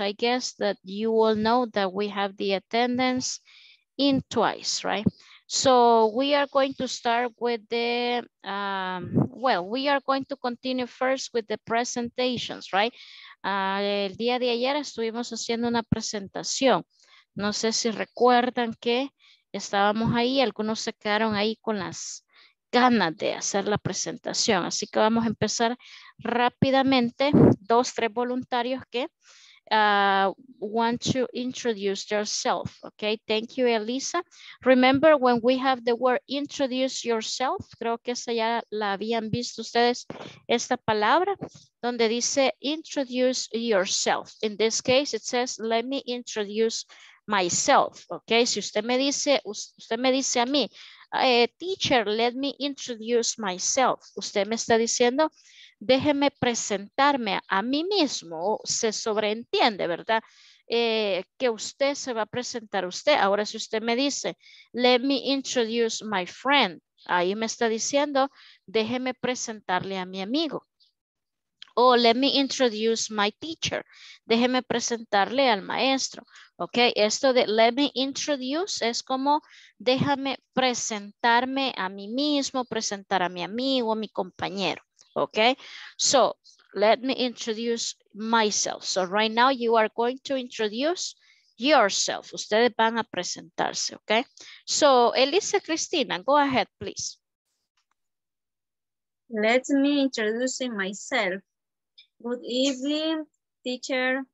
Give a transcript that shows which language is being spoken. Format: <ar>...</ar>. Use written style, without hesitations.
<en>I guess that you all know that we have the attendance in twice, right? So we are going to start with the, we are going to continue first with the presentations, right?</en> <es>El día de ayer estuvimos haciendo una presentación. No sé si recuerdan que estábamos ahí, algunos se quedaron ahí con las ganas de hacer la presentación. Así que vamos a empezar rápidamente, dos, tres voluntarios que</es> <en>want to introduce yourself. Okay, thank you, Elisa. Remember when we have the word introduce yourself,</en> <es>creo que esa ya la habían visto ustedes, esta palabra donde dice</es> <en>introduce yourself. In this case it says let me introduce myself.</en> <es>Okay, si usted me dice, a mí,</es> <en>teacher, let me introduce myself,</en> <es>usted me está diciendo déjeme presentarme a mí mismo, se sobreentiende, ¿verdad? Que usted se va a presentar a usted. Ahora, si usted me dice,</es> <en>let me introduce my friend,</en> <es>ahí me está diciendo, déjeme presentarle a mi amigo.</es> <en>Oh, let me introduce my teacher.</en> <es>Déjeme presentarle al maestro. Ok, esto de</es> <en>let me introduce</en> <es>es como déjame presentarme a mí mismo, presentar a mi amigo, a mi compañero.</es> <en>Ok, so let me introduce myself. So right now you are going to introduce yourself.</en> <es>Ustedes van a presentarse, ok.</es> <en>So Elisa Cristina, go ahead, please. Let me introduce myself. Good evening, teacher.</en>